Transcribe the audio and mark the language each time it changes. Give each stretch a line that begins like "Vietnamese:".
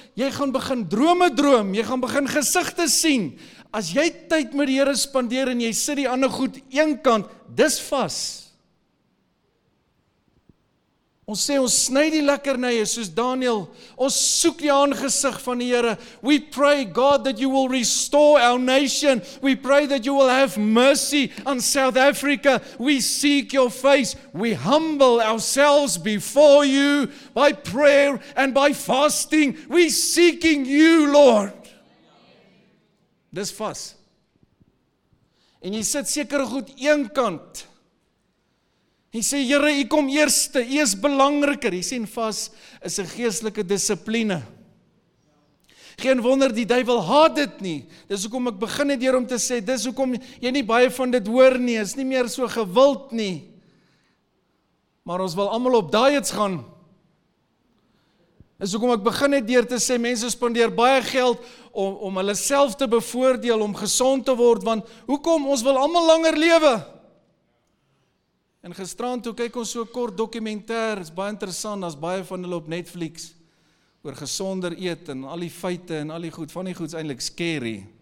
Afrikaans: Jy gaan begin drome droom, jy gaan begin gesigte sien. As jy tyd met die Here spandeer en jy sit die ander goed een kant, dis vas. Ons sê ons sny die lekkernye soos Daniël. Ons soek die aangesig van die Here.
English: We pray God that you will restore our nation. We pray that you will have mercy on South Africa. We seek your face. We humble ourselves before you by prayer and by fasting. We seeking you, Lord.
Afrikaans: Dis vas. En jy sit sekere goed een kant. Jy sê, Here, jy kom eerste, jy is belangriker. Jy sê, vas is 'n geestelike dissipline. Geen wonder, die duivel haat dit nie. Dis hoekom ek begin het hier om te sê, dis hoekom jy nie baie van dit hoor nie, is nie meer so gewild nie. Maar ons wil allemaal op diets gaan. Dis hoekom ek begin het deur te sê, mense spandeer baie geld om hulle self te bevoordeel, om gezond te word, want hoekom, ons wil allemaal langer lewe. En gisteraan toe kyk ons so kort dokumentêr, is baie interessant, as baie van hulle op Netflix, oor gesonder eet en al die feite en al die goed, van die goed is eintlik scary.